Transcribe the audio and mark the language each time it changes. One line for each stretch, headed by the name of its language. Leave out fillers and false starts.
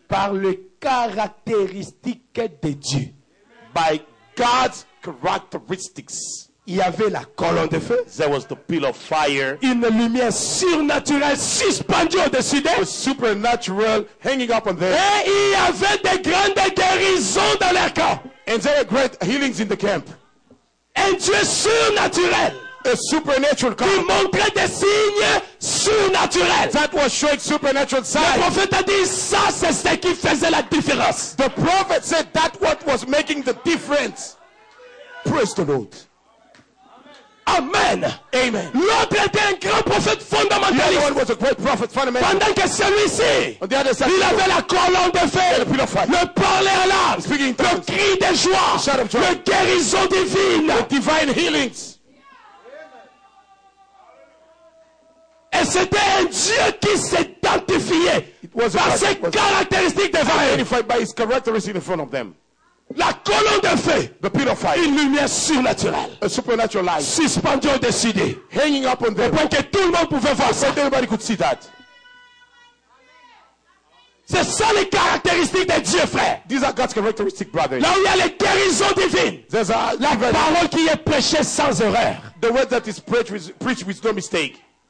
French: par le caractéristique de Dieu,
English: by God's characteristics.
French: Il y avait la colonne de feu.
English: There was the pillar of fire.
French: Une lumière surnaturelle suspendue au-dessus d'eux.
English: A supernatural hanging up on there.
French: Et il y avait des grandes guérisons dans leur camp.
English: And there were great healings in the camp.
French: Un Dieu surnaturel.
English: A supernatural
French: camp. Qui montrait des signes surnaturels.
English: That was showing supernatural signs.
French: Le prophète a dit, ça c'est ce qui faisait la différence.
English: The prophet said that what was making the difference. Praise the Lord. Amen. Amen.
French: L'autre était un grand prophète fondamentaliste.
English: The other one was a great prophet fundamentalist.
French: Pendant que celui-ci,
English: on the other side,
French: il avait la colonne de feu, le parler en langue, le cri de joie,
English: shout of joy,
French: le guérison divine,
English: the divine healings.
French: Et c'était un Dieu qui s'identifiait par ses caractéristiques divines.
English: Identified by his characteristics in front of them.
French: La colonne de feu,
English: the pillar of fire,
French: une lumière surnaturelle,
English: a supernatural light,
French: suspendue au-dessus d'eux,
English: hanging up on them,
French: pour que tout le monde pouvait voir ça.
English: Everybody could see that.
French: C'est ça les caractéristiques de Dieu, frère.
English: These are God's characteristics, brother.
French: Là où il y a les guérisons divines, la parole qui est prêchée sans erreur,
English: the word that is preached with no mistake,